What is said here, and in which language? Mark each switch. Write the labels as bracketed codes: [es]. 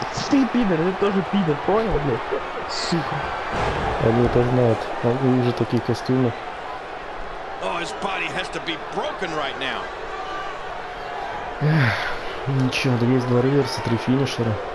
[ru] Ты пидор, ты тоже пидор, понял, блядь? Сука. Они это знают. Они уже такие костюмы. [en] Oh, his body has to be broken right now. [ru] Ничего, да есть два реверса, три финишера.